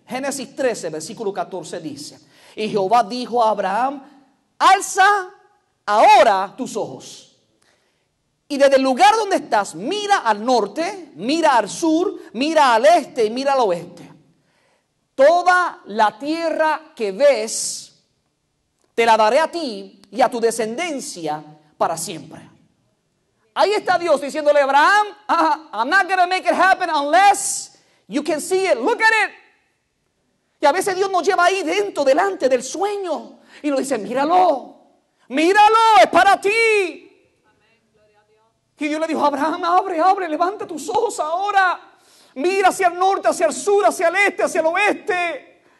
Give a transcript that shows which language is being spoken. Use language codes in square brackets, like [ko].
[es] Génesis 13, versículo 14 dice, y Jehová dijo a Abraham, alza ahora tus ojos y desde el lugar donde estás, mira al norte, mira al sur, mira al este y mira al oeste. Toda la tierra que ves te la daré a ti y a tu descendencia para siempre. Ahí está Dios diciéndole a Abraham, [en] I'm not going to make it happen unless you can see it, look at it. [es] Y a veces Dios nos lleva ahí dentro, delante del sueño. Y nos dice, míralo, míralo, es para ti. Y Dios le dijo, Abraham, abre, abre, levanta tus ojos ahora. Mira hacia el norte, hacia el sur, hacia el este, hacia el oeste.